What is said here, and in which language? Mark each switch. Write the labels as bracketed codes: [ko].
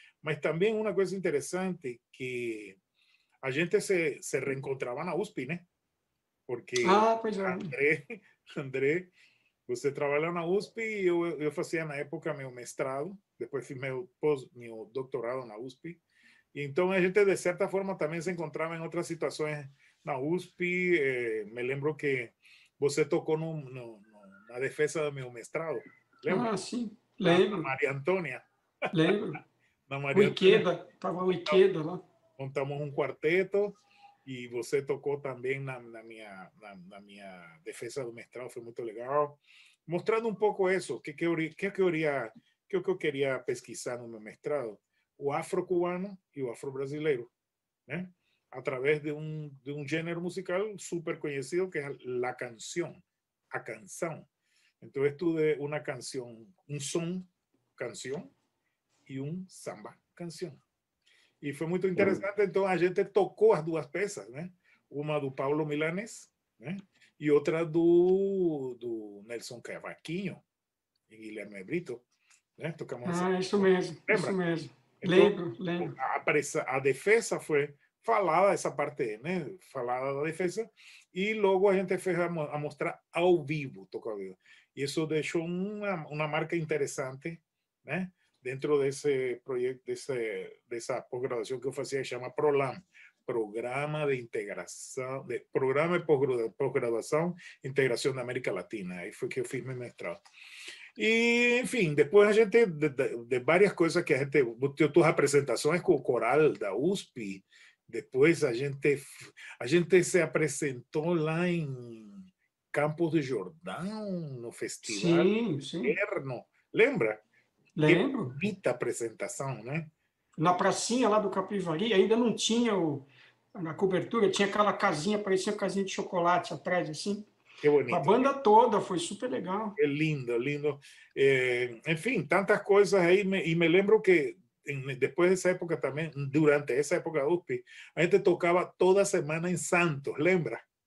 [es] Mas también una cosa interesante, que la gente se reencontraba en la USP, ¿no? Porque pues, André, usted trabaja en la USP y yo hacía en la época mi maestrado, después hice mi doctorado en la USP. Y entonces la gente de cierta forma también se encontraba en otras situaciones. [pt] Na USP, me lembro que você tocou na defesa do meu mestrado. Lembra? Ah, sim, lembro. Na Maria Antônia. Lembro. Na Maria Antônia. Tava o Iqueda lá. Montamos um quarteto e você tocou também na minha defesa do mestrado, foi muito legal. Mostrando um pouco isso, que eu queria pesquisar no meu mestrado? O afro-cubano e o afro-brasileiro, né? [es] A través de un género musical súper conocido que es la canción, a canción. Entonces tuve una canción, un son, canción, y un samba, canción. Y fue muy interesante, entonces la gente tocó las dos piezas, ¿no? Una de Pablo Milanes, ¿no? Y otra de Nelson Cavaquinho y Guilherme Brito, ¿no? Tocamos ah, eso mismo, eso mismo. La defensa fue... [pt] falada essa parte, né? Falada da defesa, e logo a gente fez a mostrar ao vivo, tocou ao vivo. E isso deixou uma marca interessante, né? Dentro desse projeto, dessa pós-graduação que eu fazia, chama ProLAM, Programa de Integração, de Programa de Pós-Graduação, Integração da América Latina. Aí foi que eu fiz meu mestrado. E, enfim, depois a gente, de várias coisas que a gente, eu tive apresentações com o coral da USP. [es] Después a gente se presentó lá en Campos de Jordán, [pt] no festival [es] interno. [pt] ¿Lembra? Lembro. [es] Bonita presentación, ¿no? [pt] Na pracinha lá do Capivari, ainda não tinha na cobertura, tinha aquela casinha, parecia uma casinha de chocolate atrás, assim. [es] Qué bonito. [pt] A banda toda, foi super legal. [es] Qué lindo, lindo. [pt] Enfim, tantas coisas aí, me lembro que... [es] Después de esa época también, durante esa época de USP, a gente tocaba toda semana en Santos, [pt] ¿lembra?